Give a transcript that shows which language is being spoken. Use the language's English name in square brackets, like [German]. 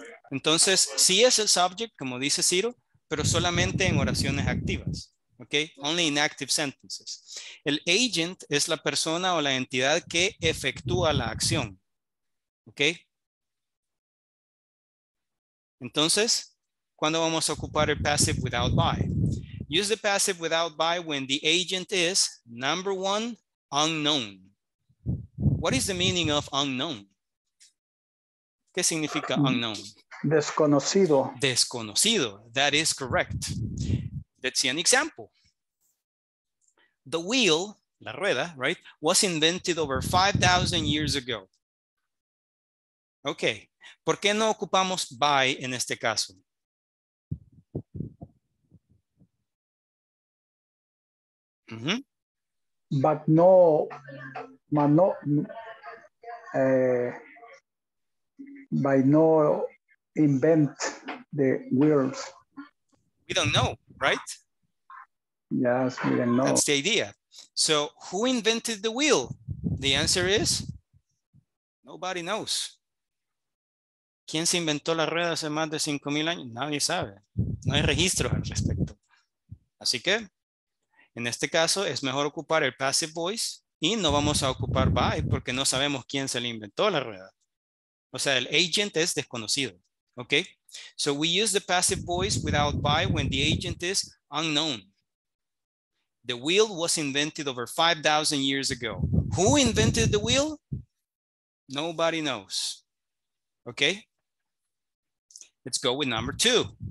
[Spanish] Entonces, sí es el subject, como dice Ciro, pero solamente en oraciones activas. ¿Ok? [English] Only in active sentences. [Spanish] El agent es la persona o la entidad que efectúa la acción. ¿Ok? Entonces, ¿cuándo vamos a ocupar el passive without by? [English] Use the passive without by when the agent is, number one, unknown. What is the meaning of unknown? [Spanish] ¿Qué significa unknown? Desconocido. [English] Desconocido. That is correct. Let's see an example. The wheel, [Spanish] la rueda, [English] right, was invented over 5,000 years ago. Okay. [Spanish] ¿Por qué no ocupamos by en este caso? Mm-hmm. [English] But no, but no, by no invent the wheels. We don't know, right? Yes, we don't know. That's the idea. So who invented the wheel? The answer is nobody knows. [Spanish] ¿Quién se inventó la rueda hace más de 5,000 años? Nadie sabe. No hay registro al respecto. Así que, en este caso, es mejor ocupar el passive voice y no vamos a ocupar by porque no sabemos quién se le inventó la rueda. O sea, el agent es desconocido. Okay? [English] So we use the passive voice without by when the agent is unknown. The wheel was invented over 5,000 years ago. Who invented the wheel? Nobody knows. Okay? Let's go with number two.